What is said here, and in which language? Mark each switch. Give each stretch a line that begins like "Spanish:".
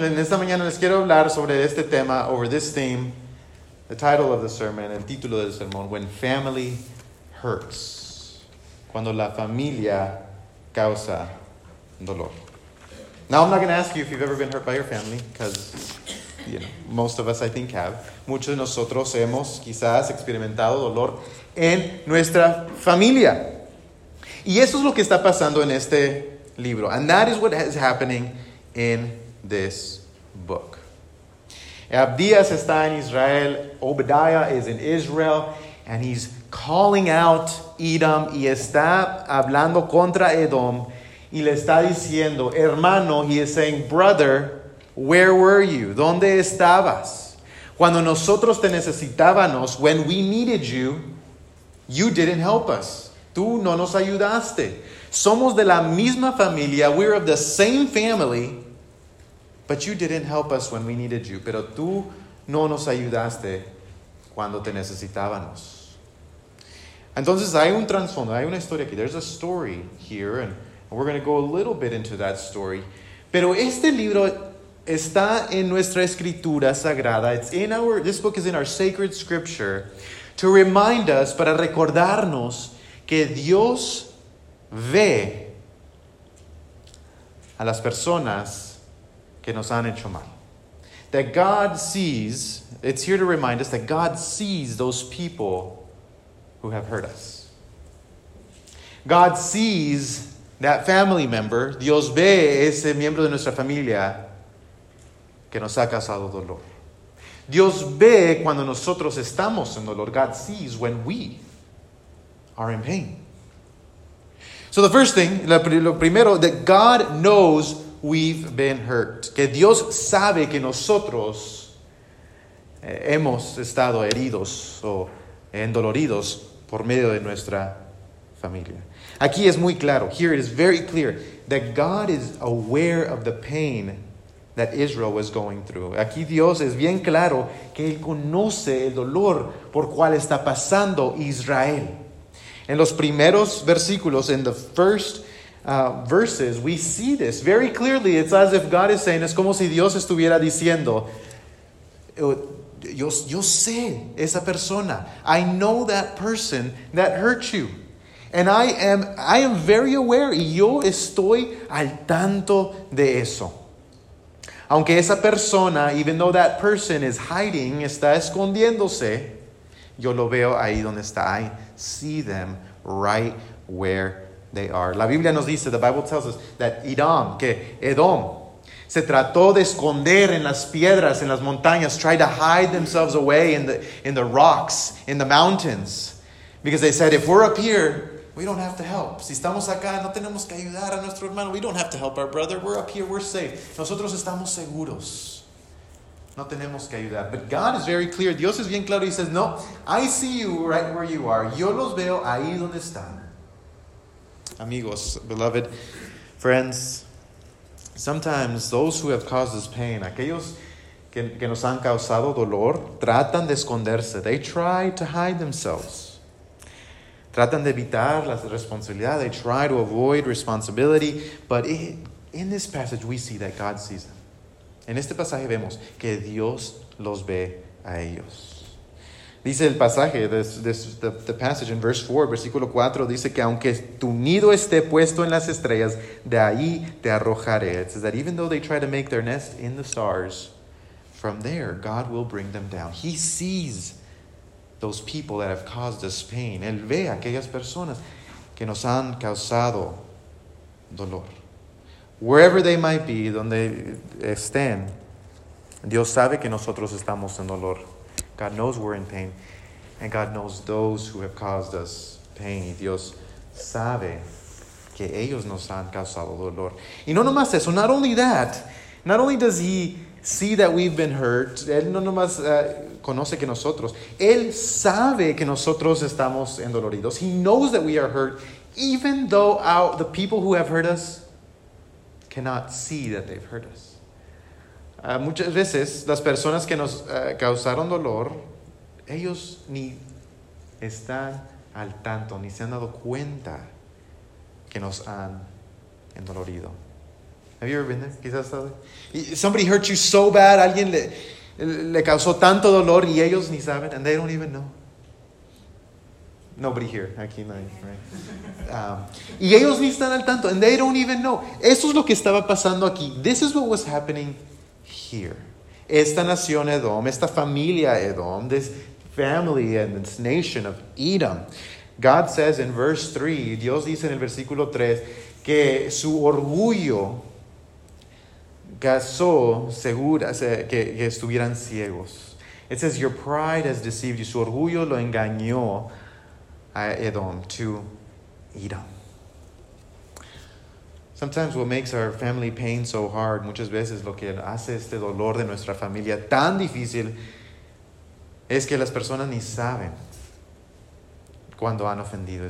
Spanish: En esta mañana les quiero hablar sobre este tema,
English: over this theme, the title of the sermon,
Spanish: el título del sermón,
English: When Family Hurts.
Spanish: Cuando la familia causa dolor.
English: Now, I'm not going to ask you if you've ever been hurt by your family, because, you know, most of us, I think, have.
Spanish: Muchos de nosotros hemos, quizás, experimentado dolor en nuestra familia. Y eso es lo que está pasando en este libro.
English: And that is what is happening in this book.
Spanish: Abdias está en Israel.
English: Obadiah is in Israel. And he's calling out Edom.
Spanish: Y está hablando contra Edom. Y le está diciendo, hermano,
English: he is saying, brother, where were you?
Spanish: ¿Dónde estabas? Cuando nosotros te necesitábamos,
English: when we needed you, you didn't help us.
Spanish: Tú no nos ayudaste. Somos de la misma familia.
English: We're of the same family. But you didn't help us when we needed you.
Spanish: Pero tú no nos ayudaste cuando te necesitábamos. Entonces hay un trasfondo, hay una historia aquí.
English: There's a story here and we're going to go a little bit into that story.
Spanish: Pero este libro está en nuestra escritura sagrada.
English: This book is in our sacred scripture to remind us,
Spanish: para recordarnos que Dios ve a las personas que nos han hecho mal.
English: That God sees, it's here to remind us that God sees those people who have hurt us. God sees that family member,
Spanish: Dios ve ese miembro de nuestra familia que nos ha causado dolor. Dios ve cuando nosotros estamos en dolor.
English: God sees when we are in pain. So the first thing,
Spanish: lo primero,
English: that God knows we've been hurt.
Spanish: Que Dios sabe que nosotros hemos estado heridos o endoloridos por medio de nuestra familia. Aquí es muy claro.
English: Here it is very clear that God is aware of the pain that Israel was going through.
Spanish: Aquí Dios es bien claro que Él conoce el dolor por cual está pasando Israel. En los primeros versículos,
English: in the first verses, we see this very clearly. It's as if God is saying,
Spanish: es como si Dios estuviera diciendo, yo sé esa persona.
English: I know that person that hurt you. And I am very aware.
Spanish: Y yo estoy al tanto de eso. Aunque esa persona,
English: even though that person is hiding,
Spanish: está escondiéndose, yo lo veo ahí donde está.
English: I see them right where they are.
Spanish: La Biblia nos dice,
English: the Bible tells us that Edom
Spanish: se trató de esconder en las piedras, en las montañas,
English: tried to hide themselves away in the rocks, in the mountains. Because they said, if we're up here, we don't have to help.
Spanish: Si estamos acá, no tenemos que ayudar a nuestro hermano.
English: We don't have to help our brother. We're up here, we're safe.
Spanish: Nosotros estamos seguros. No tenemos que ayudar.
English: But God is very clear.
Spanish: Dios es bien claro.
English: He says, no, I see you right where you are.
Spanish: Yo los veo ahí donde están. Amigos,
English: beloved friends, sometimes those who have caused us pain,
Spanish: aquellos que nos han causado dolor, tratan de esconderse.
English: They try to hide themselves.
Spanish: Tratan de evitar la responsabilidad.
English: They try to avoid responsibility. But in this passage, we see that God sees them.
Spanish: En este pasaje vemos que Dios los ve a ellos. Dice el pasaje,
English: the passage in verse 4,
Spanish: versículo 4, dice que aunque tu nido esté puesto en las estrellas, de ahí te arrojaré.
English: It says that even though they try to make their nest in the stars, from there God will bring them down. He sees those people that have caused us pain.
Spanish: Él ve a aquellas personas que nos han causado dolor.
English: Wherever they might be,
Spanish: donde estén, Dios sabe que nosotros estamos en dolor.
English: God knows we're in pain. And God knows those who have caused us pain.
Spanish: Dios sabe que ellos nos han causado dolor. Y no nomás eso.
English: Not only that. Not only does he see that we've been hurt.
Spanish: Él no nomás conoce que nosotros. Él sabe que nosotros estamos endoloridos.
English: He knows that we are hurt. even though the people who have heard us cannot see that they've hurt us.
Spanish: Muchas veces las personas que nos causaron dolor, ellos ni están al tanto, ni se han dado cuenta que nos han endolorido.
English: Have you ever been there?
Spanish: Quizás
English: somebody hurt you so bad,
Spanish: alguien le causó tanto dolor y ellos ni saben,
English: and they don't even know. Nobody here,
Spanish: aquí nadie,
English: right?
Spanish: Y ellos ni están al tanto,
English: and they don't even know.
Spanish: Eso es lo que estaba pasando aquí.
English: This is what was happening here.
Spanish: Esta nación Edom, esta familia Edom,
English: this family and this nation of Edom. God says in verse 3,
Spanish: Dios dice en el versículo 3, que su orgullo causó que estuvieran ciegos.
English: It says, your pride has deceived you.
Spanish: Su orgullo lo engañó a Edom,
English: to Edom. Sometimes what makes our family pain so hard,
Spanish: muchas veces lo que hace este dolor de nuestra familia tan difícil, es que las personas ni saben cuando han ofendido.